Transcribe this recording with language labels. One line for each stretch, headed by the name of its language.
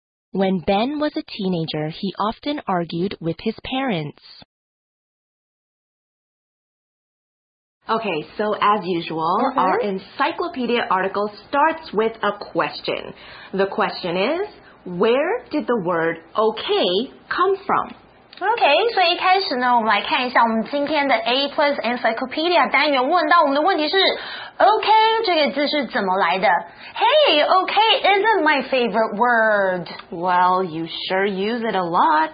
English: When Ben was a teenager, he often argued with his parents. Okay, so as usual, our encyclopedia article starts with a question. The question is, where did the word okay come from?
Chinese: OK, 所以一开始呢，我们来看一下我们今天的 A plus Encyclopedia 单元问到我们的问题是 OK 这个字是怎么来的
English: Hey, OK isn't my favorite word. Well, you sure use it a lot.